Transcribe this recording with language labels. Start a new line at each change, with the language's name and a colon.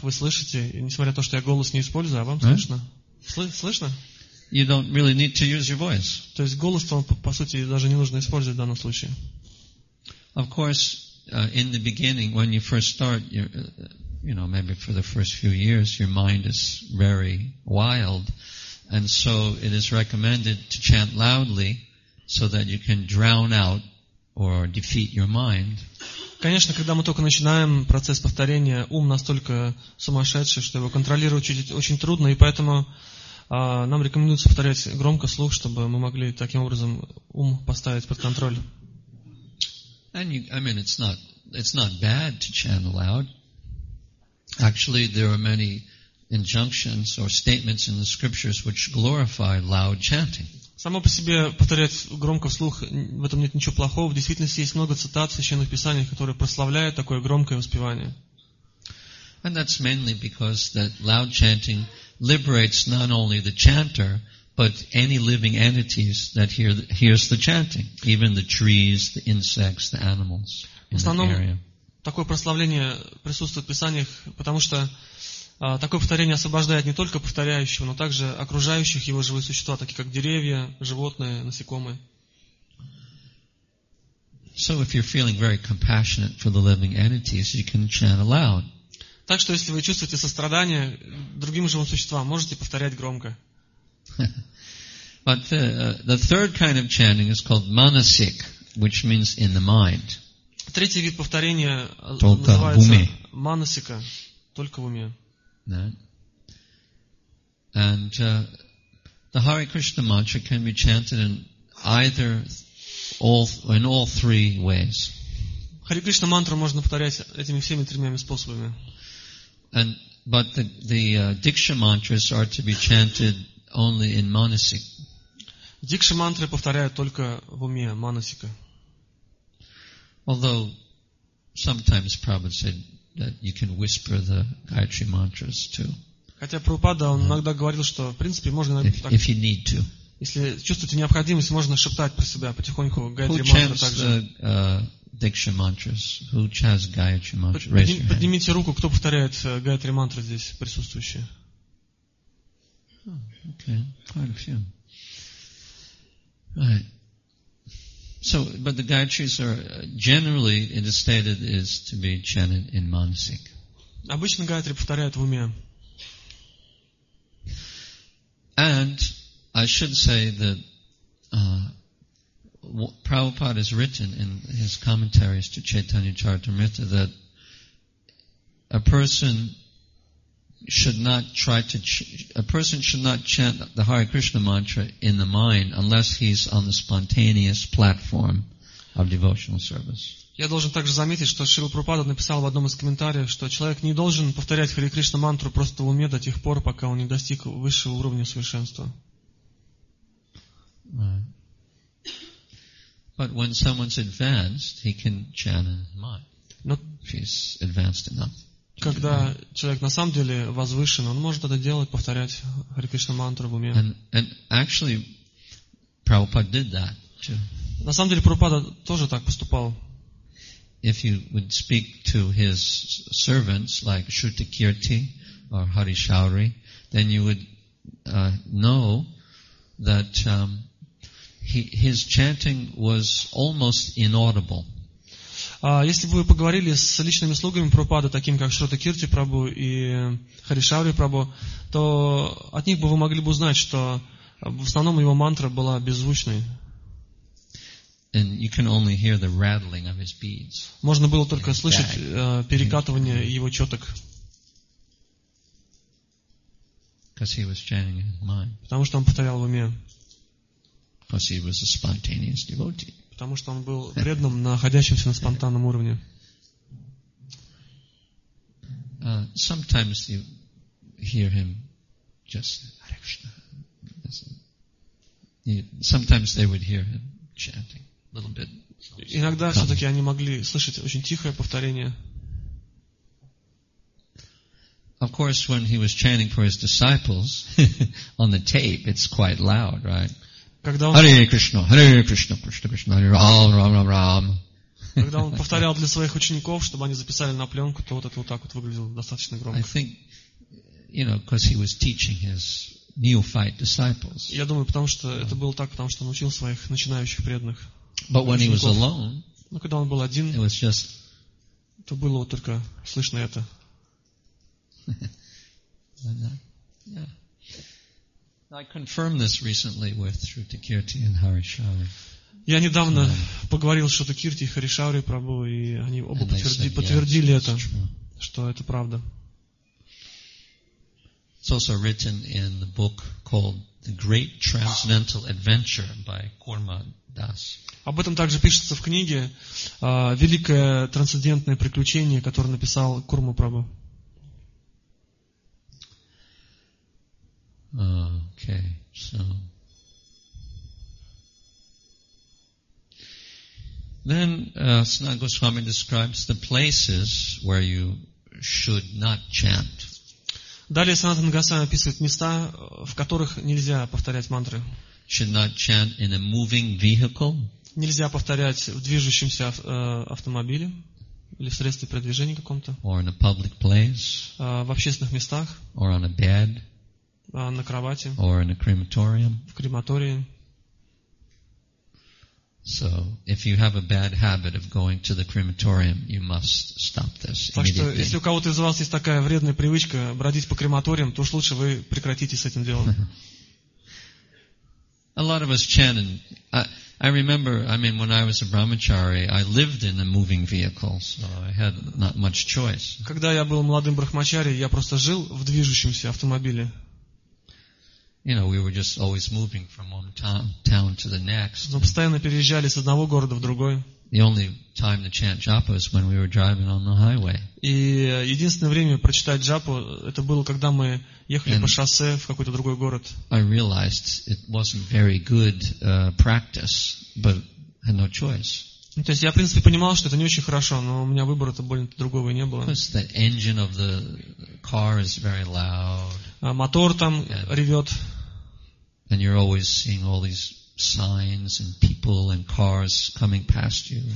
Russian: Вы слышите, несмотря на то, что я голос не использую, а вам
English: right?
Russian: слышно? Слышно?
English: You don't really need to use your voice.
Russian: То есть голос вам по сути даже не нужно использовать в данном случае.
English: Of course, in the beginning, when you first start, you know, maybe for the first few years, your mind is very wild. And so it is recommended to chant loudly so that you can drown out or defeat your mind.
Russian: Конечно, когда мы только начинаем процесс повторения, ум настолько сумасшедший, что его контролировать очень трудно, и поэтому нам рекомендуется повторять громко слух, чтобы мы могли таким образом ум поставить под контроль.
English: And it's not bad to chant loud. Actually, there are many injunctions or statements in the scriptures which glorify loud chanting.
Russian: Само по себе повторять громко вслух, в этом нет ничего плохого. В действительности есть много цитат в священных писаниях, которые прославляют такое громкое воспевание.
English: And that's mainly because that loud chanting liberates not only the chanter, but any living entities that hears the chanting, even the trees, the insects, the animals in that area.
Russian: Такое прославление присутствует в писаниях, потому что такое повторение освобождает не только повторяющего, но также окружающих его живые существа, такие как деревья, животные, насекомые.
English: So if you're feeling very compassionate for the living entities, you can chant aloud.
Russian: Так что если вы чувствуете сострадание другим живым существам, можете повторять громко.
English: But the third kind of chanting is called manasik, which means in the mind.
Russian: Третий вид повторения только называется манасика, только в уме.
English: Yeah. And the Hare Krishna mantra can be chanted in either all three ways.
Russian: Hare Krishna mantra можно повторять этими всеми тремя способами.
English: And but the Diksha mantras are to be chanted only in manasik.
Russian: Diksha mantra повторяют только в уме, манасика.
English: Although sometimes Prabhupada said that you can whisper the Gayatri mantras too.
Russian: Хотя Прабхупада он иногда говорил, что в принципе можно так.
English: If you need to.
Russian: Если чувствуете необходимость, можно шептать про себя потихоньку Гайатри мантры также.
English: Who chants the Diksha mantras? Who chants Gayatri mantras?
Russian: Поднимите руку, кто повторяет Гайатри мантры здесь присутствующие.
English: Okay, quite a few. Right. So, but the Gayatris are generally, it is stated, is to be chanted in manasik.
Russian: Обычно Гайатри повторяют в уме.
English: And I should say that Prabhupada has written in his commentaries to Chaitanya Charitamrita that a person should not try to chant the Hare Krishna mantra in the mind unless he's on the spontaneous platform of devotional service.
Russian: Я должен также заметить, что Шрила Прабхупада написал в одном из комментариев, что человек не должен повторять Хари Кришна мантру просто в уме до тех пор, пока он не достиг высшего уровня совершенства.
English: But when someone's advanced, he can chant in the mind. If he's advanced enough.
Russian: Когда человек на самом деле возвышен, он может это делать, повторять Хари Кришна мантру в уме.
English: And actually, Prabhupada did that too.
Russian: На самом деле, Прабхупада тоже так поступал.
English: If you would speak to his servants like Shruti Kirti or Hari Shauri, then you would know that his chanting was almost inaudible.
Russian: Если бы вы поговорили с личными слугами Прабхупады, таким как Шрута Кирти Прабху и Хари Шаури Прабху, то от них бы вы могли бы узнать, что в основном его мантра была беззвучной.
English: And you can only hear the rattling of his beads.
Russian: Можно было только слышать перекатывание его четок.
English: Because he was chanting in mind.
Russian: Потому что он повторял в уме.
English: Because he was a spontaneous devotee.
Russian: Потому что он был преданным, находящимся на спонтанном уровне.
English: Sometimes you hear him just Hare Krishna. Sometimes they would hear him chanting a little bit.
Russian: Иногда все-таки они могли слышать очень тихое повторение.
English: Of course, when he was chanting for his disciples on the tape, it's quite loud, right?
Russian: Когда он...
Sanskrit: Hare Krishna, Hare Krishna, Krishna Krishna, Ram, Ram, Ram, Ram.
Russian: Когда он повторял для своих учеников, чтобы они записали на пленку, то вот это вот так вот выглядело достаточно громко.
English: I think, you know, because he was teaching his neophyte disciples.
Russian: Я думаю, потому что это было так, потому что он учил своих начинающих преданных.
English: But when he was alone,
Russian: но когда он был один,
English: it was just...
Russian: то было вот только слышно это.
English: I confirmed this recently with Shruti Kirti and Harishavi.
Russian: Я недавно поговорил с Шрути Кирти и Харишаури Прабу, и они оба подтвердили это, что это правда.
English: It's also written in the book called The Great Transcendental Adventure by Korma Das.
Russian: Об этом также пишется в книге «Великое трансцендентное приключение», которое написал Курма Прабу.
English: Okay, so... Then Sanat Goswami describes the places where you should not chant.
Russian: Далее Санатана Госвами описывает места, в которых нельзя повторять мантры.
English: Should not chant in a moving vehicle.
Russian: Нельзя повторять в движущемся автомобиле или в средстве передвижения каком-то.
English: Or in a public place.
Russian: В общественных местах.
English: Or on a bed.
Russian: На кровати.
English: Or in a crematorium.
Russian: В крематории.
English: So, if you have a bad habit of going to the crematorium, you must stop this immediately.
Russian: Так что, если у кого-то из вас есть такая вредная привычка бродить по крематориям, то уж лучше вы прекратите с этим делом.
English: A lot of us chant, and I remember, I mean, when I was a brahmachari, I lived in a moving vehicle, so I had not much choice.
Russian: Когда я был молодым брахмачари, я просто жил в движущемся автомобиле.
English: You know, we were just always moving from one town to the next.
Russian: Мы постоянно переезжали с одного города в другой.
English: The only time to chant japa was when we were driving on the highway.
Russian: И единственное время прочитать джапу это было, когда мы ехали по шоссе в какой-то другой город.
English: I realized it wasn't very good practice, but I had no choice.
Russian: То есть я, в принципе, понимал, что это не очень хорошо, но у меня выбора-то более-то другого не было.
English: Because the engine of the car is very loud.
Russian: Мотор там ревет.
English: And you're always seeing all these signs and people and cars coming past you.